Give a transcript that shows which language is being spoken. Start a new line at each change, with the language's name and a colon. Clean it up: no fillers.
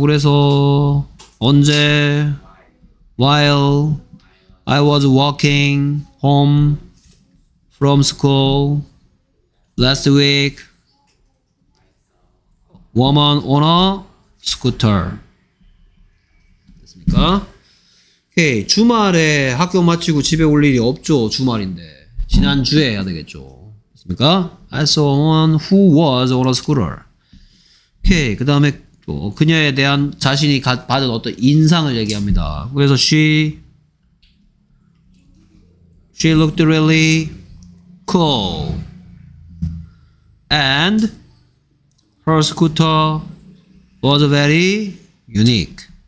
Korean: 그래서 언제?
English: While I was walking home from school last week, woman on a scooter.
Korean: 됐습니까? 오케이. 주말에 학교 마치고 집에 올 일이 없죠. 주말인데. 지난주에 해야 되겠죠. 됐습니까?
English: I saw someone who was on a scooter.
Korean: 오케이. 그 다음에 또 그녀에 대한 자신이 받은 어떤 인상을 얘기합니다. 그래서
English: she looked really cool and her scooter was very unique.